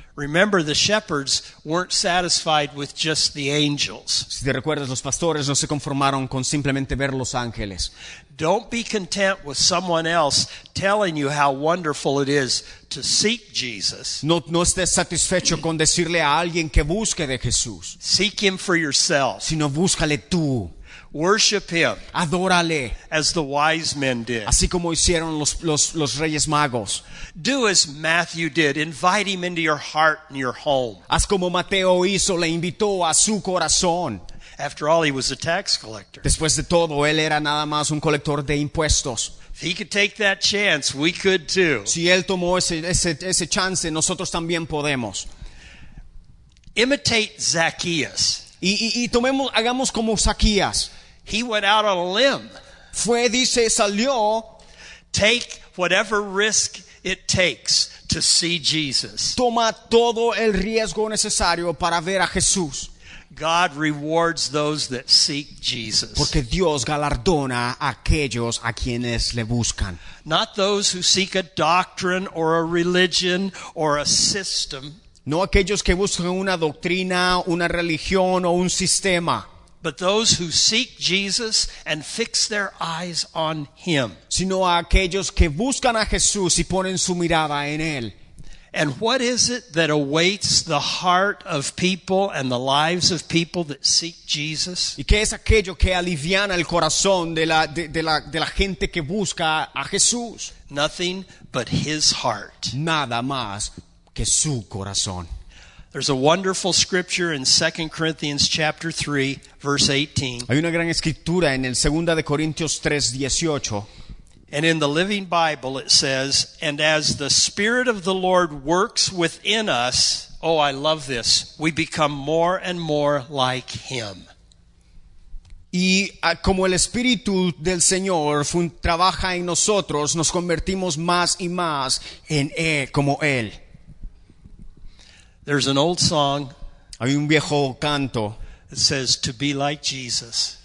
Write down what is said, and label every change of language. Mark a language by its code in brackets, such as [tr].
[en] Remember, the shepherds weren't satisfied with just the angels. [es] Si te recuerdas, los pastores no se conformaron con simplemente ver los ángeles. [en] Don't be content with someone else telling you how wonderful it is to seek Jesus. [es] No estés satisfecho con decirle a alguien que busque de Jesús. [en] Seek him for yourself. [es] Sino búscale tú. [en] Worship him. [es] Adórale. [en] As the wise men did. [es] Así como hicieron los reyes magos. [en] Do as Matthew did. Invite him into your heart and your home. [es] Haz como Mateo hizo, le invitó a su corazón. [en] After all, he was a tax collector. [es] Después de todo, él era nada más un colector de impuestos. [en] If he could take that chance, we could too. [es] Si él tomó ese chance, nosotros también podemos. [en] Imitate Zacchaeus. [es] Hagamos como Zacchaeus. [en] He went out on a limb. [es] Fue, dice, salió. [en] Take whatever risk it takes to see Jesus. [es] Toma todo el riesgo necesario para ver a Jesús. [en] God rewards those that seek Jesus. [es] Porque Dios galardona a aquellos a quienes le buscan. [en] Not those who seek a doctrine or a religion or a system. [es] No aquellos que buscan una doctrina, una religión o un sistema. [en] But those who seek Jesus and fix their eyes on Him. [es] Sino a aquellos que buscan a Jesús y ponen su mirada en Él. [en] And what is it that awaits the heart of people and the lives of people that seek Jesus? [es] ¿Y qué es aquello que aliviana el corazón de la gente que busca a Jesús? [en] Nothing but His heart. [es] Nada más que su corazón. [en] There's a wonderful scripture in 2 Corinthians chapter 3, verse 18. [es] Hay una gran escritura en el 2 de Corintios 3, 18. [en] And in the Living Bible it says, and as the Spirit of the Lord works within us, oh, I love this, we become more and more like Him. [es] Y como el Espíritu del Señor trabaja en nosotros, nos convertimos más y más en Él, como Él. [en] There's an old song. [es] Hay un viejo canto. [en] It says to be like Jesus.